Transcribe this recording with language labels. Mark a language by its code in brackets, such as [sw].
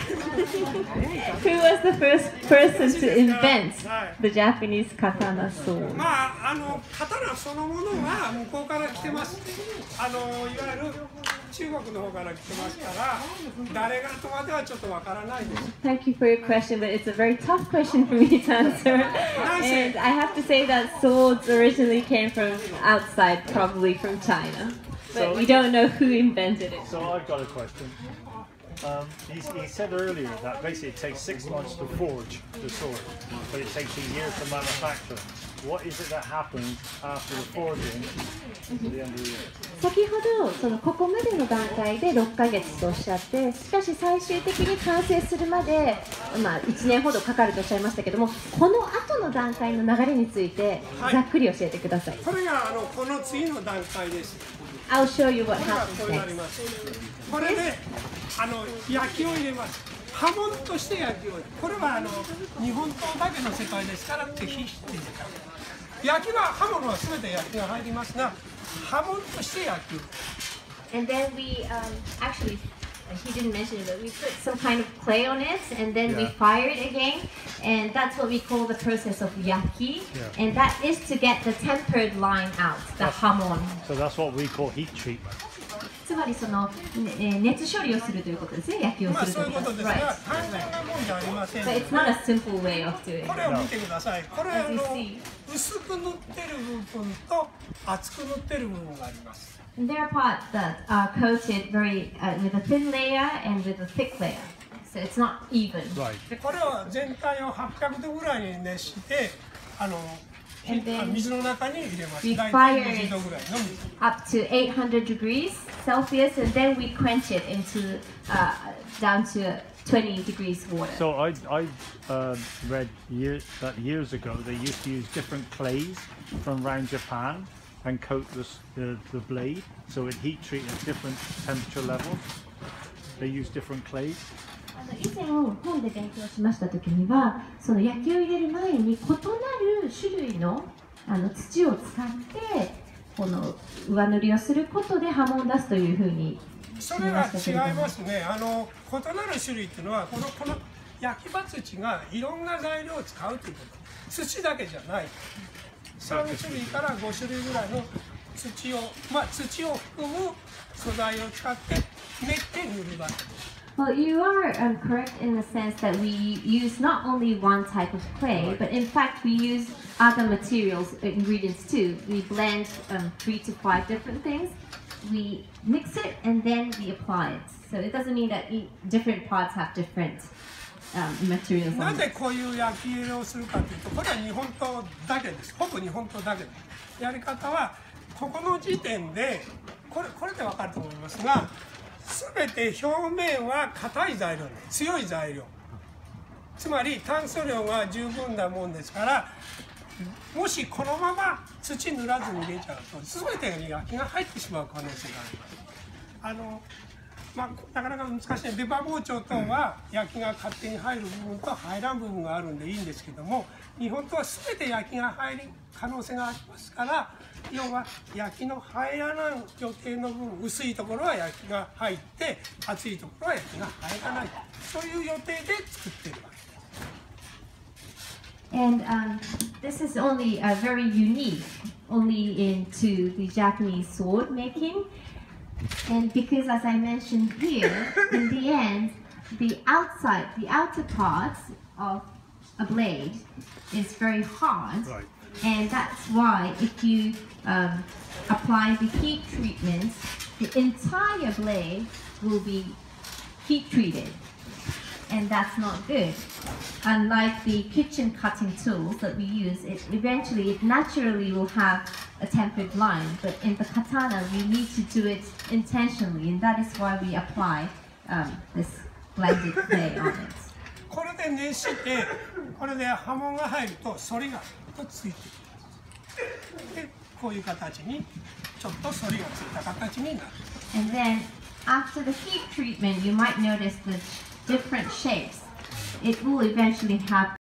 [en] Who was the first person to invent the Japanese katana sword? [ja] まあ、あの、刀そのものは向こうから来てます。あの、いわゆる中国の方から来てますから、誰がとまではちょっとわからないです。 [en] Thank you for your question, but it's a very tough question for me to answer. And I have to say that swords originally came from outside, probably from China. But we don't know who invented it. So I've got a question. He said earlier that basically it takes 6 months to forge the sword, but it takes a year to manufacture. What is it that happens after the forging to the end of the year? [ja] 先ほどそのここまでの段階で6ヶ月とおっしゃって、しかし最終的に完成するまで、まあ、1年ほどかかるとおっしゃいましたけども、この後の段階の流れについてざっくり教えてください。はい、これがあのこの次の段階です。 [en] I'll show you what happens next. [ja] これであの焼きを入れます。刃物として焼きを。これはあの日本刀だけの世界ですから手引きで焼きは刃物はすべて焼きが入りますが刃物として焼きを。 [en] And then we actually he didn't mention it, but we put some kind of clay on it and then we fire it again and that's what we call the process of yaki and that is to get the tempered line out the hamon. So that's what we call heat treatment. [ja] つまりその、熱処理をするということですね、焼きをするということですが、 [en] right. [ja] 簡単なもんじゃありません。 [en] But it's not a simple way of doing it. [ja] これを見てください。これあの薄く塗ってる部分と厚く塗ってる部分があります。 [en] And there are parts that are coated very, with a thin layer and with a thick layer. So it's not even. Right. [ja] でこれは全体を800度ぐらいに熱して、あの [en] And then we fire it up to 800 degrees Celsius, and then we quench it into down to 20 degrees water. So I read years ago they used to use different clays from around Japan and coat the blade, so it heat treat at different temperature levels. They use different clays. [ja] 以前を本で勉強しましたときには、その焼きを入れる前に異なる種類 の, あの土を使って、この上塗りをすることで波紋を出すというふうに言いましたけれども。それは違いますね。あの異なる種類というのはこの焼き場土がいろんな材料を使うということ。土だけじゃない。 3種類から5種類ぐらいの土を、まあ、土を含む素材を使って練って塗る場合。 [en] Well, you are correct in the sense that we use not only one type of clay, but in fact we use other materials, ingredients too. We blend 3 to 5 different things, we mix it, and then we apply it. So it doesn't mean that different parts have different materials. [ja] なぜこういう焼き入れをするかというと、これは日本刀だけです。ほぼ日本刀だけです。やり方は、ここの時点で、これでわかると思いますが、すべて表面は硬い材料、強い材料、つまり炭素量が十分なもんですから、もしこのまま土塗らずに入れちゃうと、すべてに焼きが入ってしまう可能性があります。あの、まあ、なかなか難しい、出刃包丁等は焼きが勝手に入る部分と入らん部分があるんでいいんですけども、日本刀はすべて焼きが入る可能性がありますから。要は焼きの入らない予定の分、薄いところは焼きが入って、熱いところは焼きが入らない、そういう予定で作っているわけです。 [en] And this is only a very unique, only into the Japanese sword making. And because, as I mentioned here, in the end, the outside, the outer parts of a blade is very hard. Right. And that's why if you apply the heat treatment, the entire blade will be heat treated. And that's not good. Unlike the kitchen cutting tools that we use, it naturally will have a tempered line. But in the katana, we need to do it intentionally. And that is why we apply this blended clay on it. [ja] これで熱して、これで刃文が入ると反りがとついてで、こういう形にちょっと反りがついた形になる。 [en] And then after the heat treatment, you might notice the different shapes. It will eventually have